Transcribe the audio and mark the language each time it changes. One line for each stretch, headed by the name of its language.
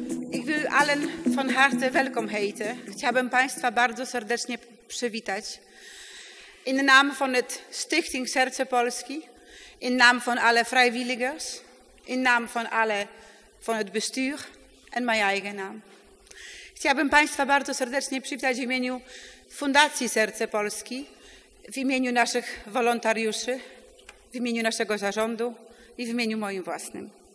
German: Ich will allen von Herzen willkommen heißen.
Polish: Chciałbym Państwa bardzo serdecznie przywitać.
German: In Namen von der Stiftung Serce Polski, in Namen von alle Freiwilligers, in Namen von alle von
Dutch: het Bestuur
German: und mein eigener Name.
Polish: Chciałbym Państwa bardzo serdecznie przywitać w imieniu Fundacji Serce Polski, w imieniu naszych wolontariuszy, w imieniu naszego zarządu i w imieniu moim własnym.